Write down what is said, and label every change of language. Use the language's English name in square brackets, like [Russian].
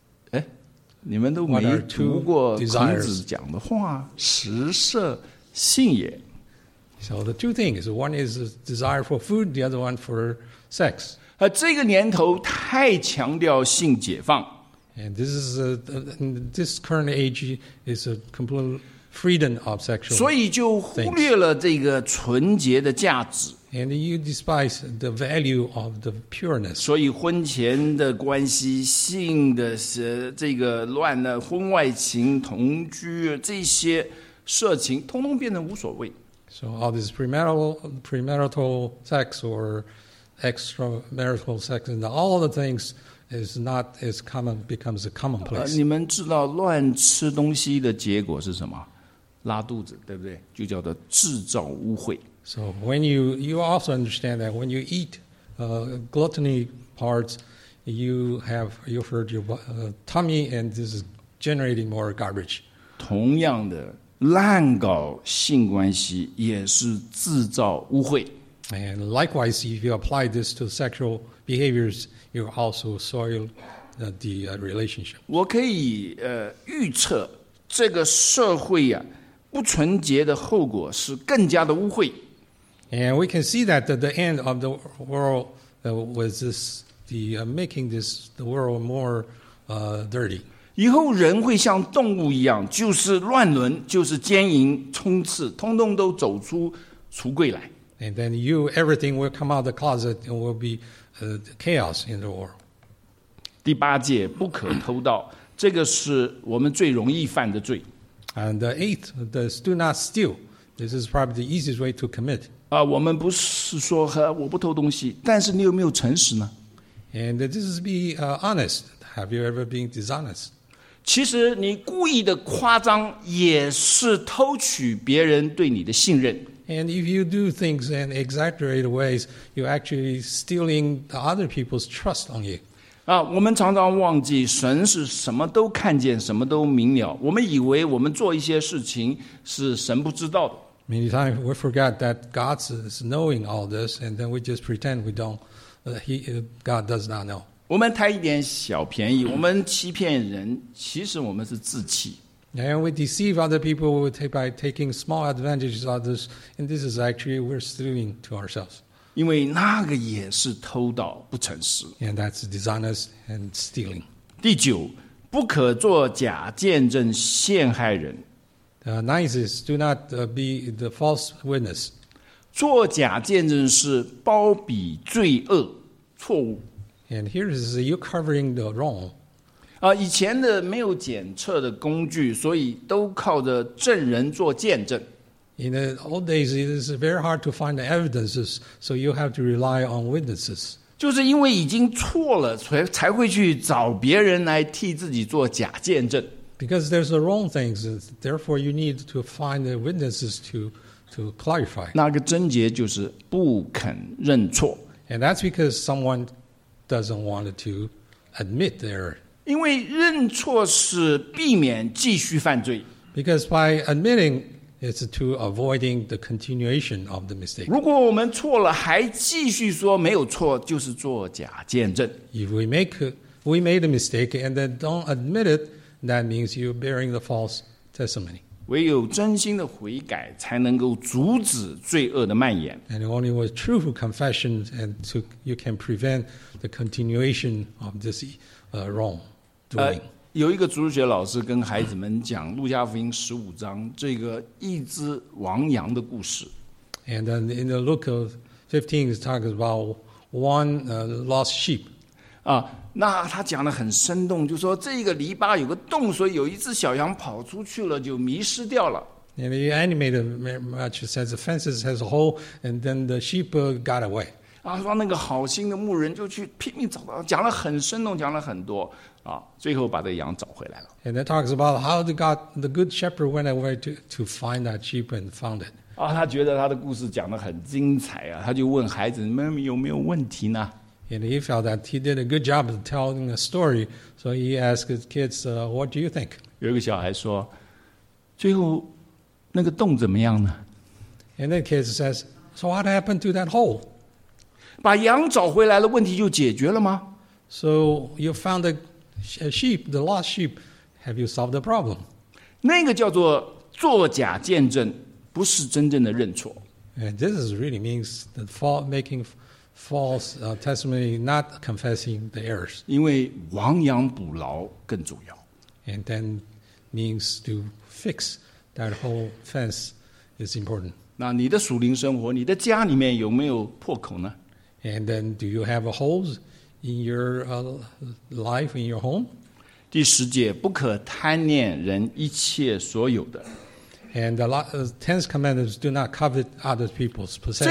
[Chinese] 哎，你们都没读过孔子讲的话，食色性也。 [English] So the two things, one is a desire for food, the other one for sex. [Chinese] 这个年头太强调性解放。 [English] And this is this current age is a complete. Freedom of sexual, [Chinese] 所以就忽略了这个纯洁的价值。 [English] And you despise the value of the pureness. [Chinese] 所以婚前的关系、性的这个乱的婚外情、同居这些，色情通通变成无所谓。 [English] So all this premarital sex or extramarital sex and all the things is not as common, becomes a commonplace. [Chinese] 你们知道乱吃东西的结果是什么？拉肚子，对不对？就叫做制造污秽。 [English] So when you also understand that when you eat gluttony parts, you hurt your tummy and this is generating more garbage. [Chinese] 同样的，滥搞性关系也是制造污秽。 [English] And likewise, if you apply this to sexual behaviors, you also soil the relationship. [Chinese] 我可以预测这个社会呀、啊、不纯洁的后果是更加的污秽。 [English] And we can see that at the end of the world was this, making this the world more dirty. [Chinese] 以后人会像动物一样，就是乱伦，就是奸淫、冲刺，通通都走出橱柜来。 [English] And then you, everything will come out of the closet and will be chaos in the world. [Chinese] 第八戒不可偷盗，这个是我们最容易犯的罪。 [English] And the eighth, do not steal. This is probably the easiest way to commit. [Chinese] 我们不是说我不偷东西，但是你有没有诚实呢？ [English] And this is be honest. Have you ever been dishonest? [Chinese] 其实你故意的夸张也是偷取别人对你的信任。 [English] And if you do things in exaggerated ways, you're actually stealing the other people's trust on you. [Chinese] 我们常常忘记神是什么都看见，什么都明了。我们以为我们做一些事情是神不知道的。 [English] Many times we forget that God is knowing all this, and then we just pretend we don't. God does not know. [Chinese] 我们贪一点小便宜，我们欺骗人，其实我们是自欺。 [English] And we deceive other people by taking small advantages of others, and this is actually we're stealing to ourselves. [Chinese] 因为那个也是偷盗不诚实。 [English] And that's dishonest and stealing. [Chinese] 第九，不可做假见证陷害人。 [English] Ninth is do not be the false witness. [Chinese] 做假见证是包庇罪恶错误。 [English] And here is you covering the wrong. [Chinese] 以前的没有检测的工具，所以都靠着证人做见证。 [English] In the old days, it is very hard to find the evidences, so you have to rely on witnesses. [Chinese] 就是因为已经错了，才会去找别人来替自己做假见证。 [English] Because there's the wrong things, therefore you need to find the witnesses to clarify. [Chinese] 那个症结就是不肯认错。 [English] And that's because someone doesn't want to admit their error. [Chinese] 因为认错是避免继续犯罪。 [English] Because by admitting, it's to avoiding the continuation of the mistake. [Chinese] 如果我们错了还继续说没有错，就是做假见证。 [English] If we made a mistake and then don't admit it, that means you're bearing the false testimony. [Chinese] 唯有真心的悔改才能够阻止罪恶的蔓延。 [English] And only with true confession and you can prevent the continuation of this wrong. [Chinese] 有一个主日学老师跟孩子们讲路加福音十五章这个一只亡羊的故事。 [English] And then in the Luke of 15, it talks about one lost sheep. [Chinese] 那他讲的很生动，就说这个篱笆有个洞，所以有一只小羊跑出去了，就迷失掉了。 [English] And he animated much, says the fences has a hole, and then the sheep got away. [Chinese] 说那个好心的牧人就去拼命找到，讲了很生动，讲了很多啊，最后把这羊找回来了。 [English] And that talks about how the good shepherd went away to find that sheep and found it. [Chinese] 他觉得他的故事讲得很精彩啊，他就问孩子们有没有问题呢 [English] ？And he felt that he did a good job of telling a story, so he asked his kids, "What do you think?" [Chinese] 有一个小孩说，最后那个洞怎么样呢 [English] ？And the kid says, "So what happened to that hole?" [Chinese] 把羊找回来了，问题就解决了吗 [English] ？So you found the sheep, the lost sheep. Have you solved the problem? [Chinese] 那个叫做作假见证，不是真正的认错。 [English] And this is really means the making false testimony, not confessing the errors. [Chinese] 因为亡羊补牢更重要。 [English] And then means to fix that whole fence is important. [Chinese] 那你的属灵生活，你的家里面有没有破口呢？ [English] And then, do you have a holes in your life, in your home? [Chinese] 第十节，不可贪恋人一切所有的。 [English] And the tenth commandment is do not covet other people's possessions.